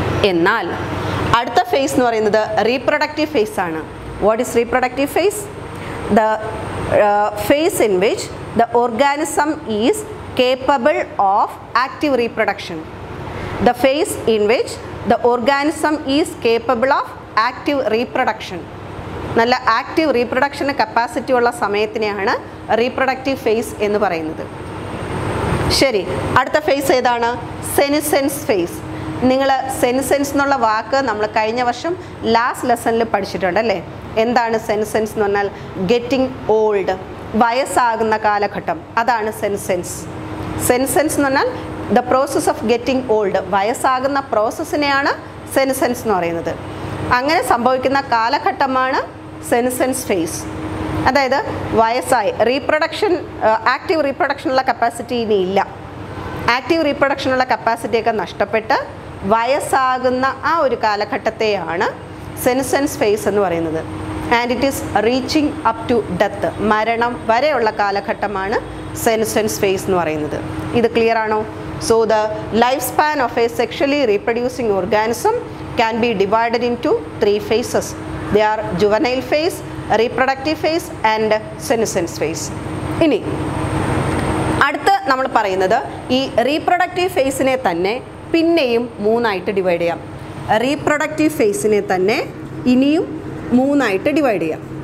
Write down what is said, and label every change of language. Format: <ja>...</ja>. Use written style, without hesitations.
<ml>എന്നാൽ അടുത്ത ഫേസ് എന്ന് പറയുന്നത് reproductive ഫേസാണ്.</ml> <en>What is reproductive phase? The phase in which the organism is capable of active reproduction. The phase in which The organism is capable of active reproduction.</en> <ml>നല്ല active reproduction capacity ഉള്ള സമയത്തിനെയാണ് reproductive face എന്ന് പറയുന്നത്. ശരി, അടുത്ത face ഏതാണ്? സെനിസെൻസ് face. നിങ്ങൾ സെനിസെൻസ് എന്നുള്ള വാക്ക് നമ്മൾ കഴിഞ്ഞ വർഷം ലാസ്റ്റ് ലെസണിൽ പഠിച്ചിട്ടുണ്ട് അല്ലേ? എന്താണ് സെനിസെൻസ് എന്ന് പറഞ്ഞാൽ?</ml> <en>getting old,</en> <ml>വയസ്സാകുന്ന കാലഘട്ടം, അതാണ് സെനിസെൻസ്. സെനിസെൻസ് എന്ന് പറഞ്ഞാൽ</ml> <en>the process of getting old,</en> <ml>വയസ്സാകുന്ന പ്രോസസ്സിനെയാണ് സെനിസെൻസ് എന്ന് പറയുന്നത്. അങ്ങനെ സംഭവിക്കുന്ന കാലഘട്ടമാണ് സെനിസെൻസ് ഫേസ്. അതായത് വയസ്സായി, റീപ്രൊഡക്ഷൻ ആക്റ്റീവ് റീപ്രൊഡക്ഷനുള്ള കപ്പാസിറ്റി ഇനി ഇല്ല. ആക്റ്റീവ് റീപ്രൊഡക്ഷനുള്ള കപ്പാസിറ്റിയൊക്കെ നഷ്ടപ്പെട്ട് വയസ്സാകുന്ന ആ ഒരു കാലഘട്ടത്തെയാണ് സെനിസെൻസ് ഫേസ് എന്ന് പറയുന്നത്.</ml> <en>and it is reaching up to death,</en> <ml>മരണം വരെയുള്ള കാലഘട്ടമാണ് സെനിസെൻസ് ഫേസ് എന്ന് പറയുന്നത്. ഇത് ക്ലിയർ ആണോ?</ml> <en>So the life span of a sexually reproducing organism can be divided into three phases. They are juvenile phase, reproductive phase and senescence phase.</en> <ml>ഇനി അടുത്ത നമ്മൾ പറയുന്നത് ഈ reproductive phase-നെ തന്നെ പിന്നെയും മൂന്നായിട്ട് ഡിവൈഡ് ചെയ്യാം. റീപ്രൊഡക്റ്റീവ് ഫേസിനെ തന്നെ ഇനിയും മൂന്നായിട്ട് ഡിവൈഡ് ചെയ്യാം.</ml>